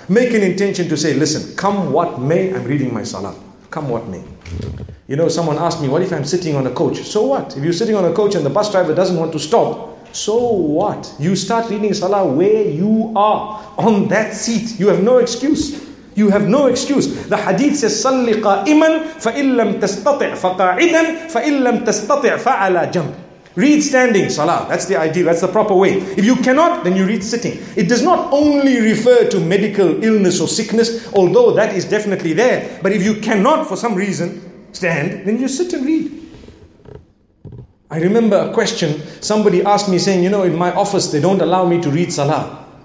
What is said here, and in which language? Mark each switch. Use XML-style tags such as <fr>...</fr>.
<en>Make an intention to say, listen, come what may, I'm reading my salah. Come what may. You know, someone asked me, what if I'm sitting on a coach? So what? If you're sitting on a coach and the bus driver doesn't want to stop, so what? You start reading salah where you are, on that seat. You have no excuse. You have no excuse. The hadith says,</en> <ar>صَلِّ قَائِمًا فَإِن لَمْ تَسْتَطِعْ فَقَاعِدًا فَإِن لَمْ تَسْتَطِعْ فَعَلَى جَمْبٍ.</ar> <en>Read standing, salah. That's the ideal, that's the proper way. If you cannot, then you read sitting. It does not only refer to medical illness or sickness, although that is definitely there. But if you cannot, for some reason, stand, then you sit and read. I remember a question, somebody asked me saying, you know, in my office, they don't allow me to read salah.</en>